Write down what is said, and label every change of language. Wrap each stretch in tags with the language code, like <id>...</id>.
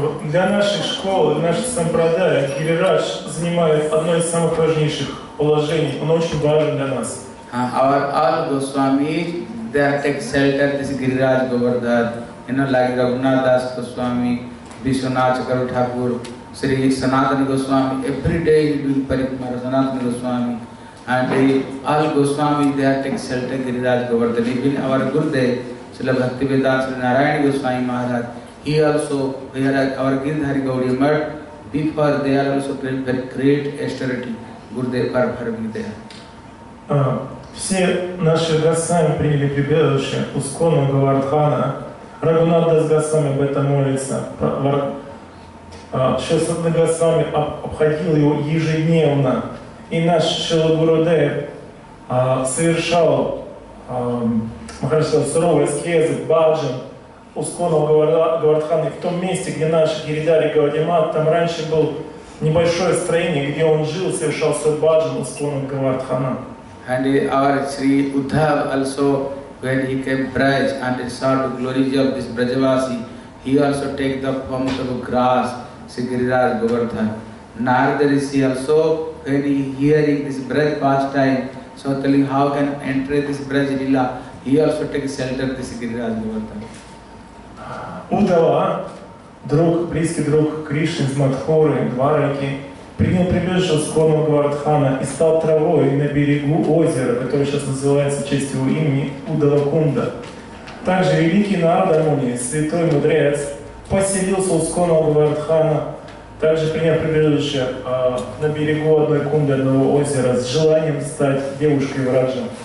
<ru>Для нашей школы, для нашей сампрадая, Гирирадж занимает одно из самых важнейших положений. Он очень важен для нас.</ru> <en>Our all Goswamis, they take shelter this Гирирадж Говардхар. You know, like Raghunath Das Goswami, Vishwanath Chakravarti Thakur, Sri Sanatana Goswami, every day he will parikmar, Sanatana Goswami. And all Goswamis, they take shelter Гирирадж Говардхар. Even our Gurudev, Srila Bhaktivedanta Sri Narayana Goswami Maharaj, he also, our Gindhari Gauri, but before they are also very, very great austerity, Gurudev Parabharami there.</en> <ru>Все наши Госвами приняли прибежище у склона Говардхана. Рагунат Дас Госвами об этом молится. Шесадна Госвами обходил его ежедневно. И наш Шрила Гурудев совершал Махарадж суровый аскезы, баджан, у склонов Говардхана, в том месте, где наш Гиридари Гаудимат, там раньше был небольшое строение, где он жил, совершал свой баджан у склонов Говардхана.</ru> <en>And our Sri Uddhava also, when he came Braj and saw the glories of this Brajavasi, he also take the forms of grass, Sri Гирирадж Говардхар. Narada Rishi also, when he hearing this Braj pastime, so telling how can enter this Braj Lila, he also take shelter this Гирирадж Говардхар.</en> <ru>Удава, друг, близкий друг Кришны из Мадхуры, Двараки, принял прибежище от склонного Гвардхана и стал травой на берегу озера, которое сейчас называется в честь его имени Удалакунда. Также великий Нардамуни, святой мудрец, поселился у склонного Гвардхана, также принял прибежище на берегу одной кунды, одного озера, с желанием стать девушкой Враджа.</ru>